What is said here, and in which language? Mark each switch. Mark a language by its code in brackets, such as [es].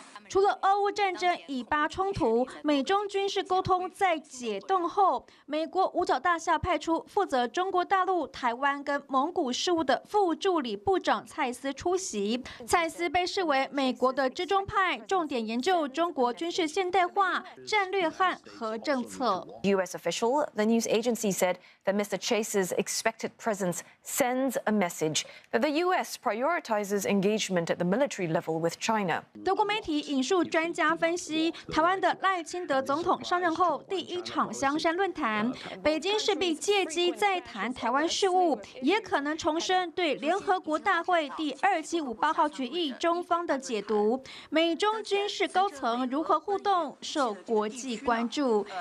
[zh] 除了俄乌战争、以巴冲突，美中军事沟通在解冻后，美国五角大厦派出负责中国大陆、台湾跟蒙古事务的副助理部长蔡斯出席。蔡斯被视为美国的支中派，重点研究中国军事现代化战略和核政策。 [en] U.S. official, the news agency said that Mr. Chase's expected presence sends a message that the U.S. prioritizes engagement at the military level with China. [zh] 德国媒体引述专家分析，台湾的赖清德总统上任后第一场香山论坛，北京势必借机再谈台湾事务，也可能重申对联合国大会第2758号决议中方的解读。美中军事高层如何互动，受国际关注。